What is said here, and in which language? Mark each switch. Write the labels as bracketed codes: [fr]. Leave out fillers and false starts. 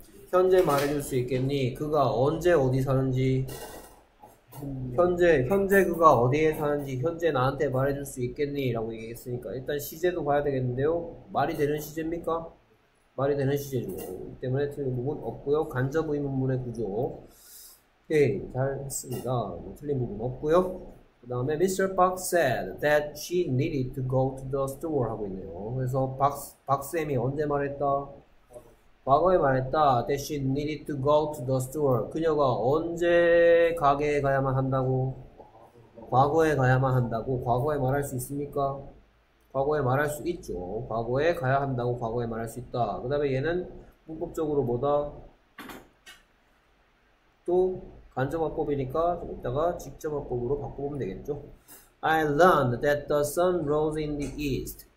[ko] 현재 말해줄 수 있겠니? 그가 언제 어디 사는지 현재 그가 어디에 사는지 현재 나한테 말해줄 수 있겠니? 라고 얘기했으니까 일단 시제도 봐야 되겠는데요. 말이 되는 시제입니까? 말이 되는 시제죠. 때문에 틀린 부분 없고요. 간접 의문문의 구조 예, 잘 했습니다. 뭐 틀린 부분 없고요. 그 다음에 Mr. [en] Box said that she needed to go to the store [ko] 하고 있네요. 그래서 박쌤이 언제 말했다? 과거에 말했다. [en] That she needed to go to the store. [ko] 그녀가 언제 가게에 가야만 한다고? 과거에 가야만 한다고? 과거에 말할 수 있습니까? 과거에 말할 수 있죠. 과거에 가야 한다고 과거에 말할 수 있다. 그 다음에 얘는 문법적으로 뭐다? 또 간접화법이니까 이따가 직접화법으로 바꿔보면 되겠죠. [en] I learned that the sun rose in the east.